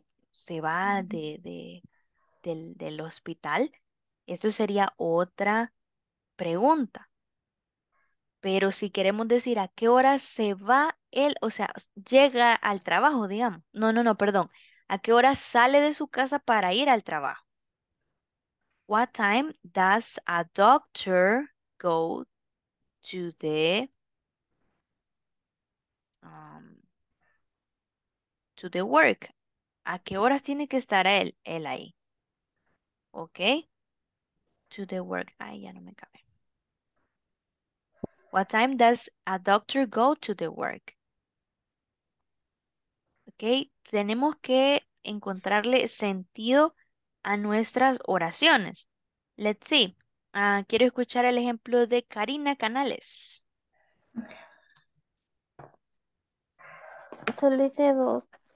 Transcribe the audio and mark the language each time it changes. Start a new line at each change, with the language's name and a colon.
Spanish: Se va del hospital. Eso sería otra pregunta. Pero si queremos decir a qué hora se va él, o sea, llega al trabajo, digamos. No, perdón. ¿A qué hora sale de su casa para ir al trabajo?
English: What time does a doctor go to the work?
Spanish: ¿A qué horas tiene que estar él ahí? ¿Ok?
English: To the work.
Spanish: Ay, ya no me cabe.
English: What time does a doctor go to the work?
Spanish: Ok, tenemos que encontrarle sentido a nuestras oraciones.
English: Let's see.
Spanish: Quiero escuchar el ejemplo de Karina Canales. Solo hice dos.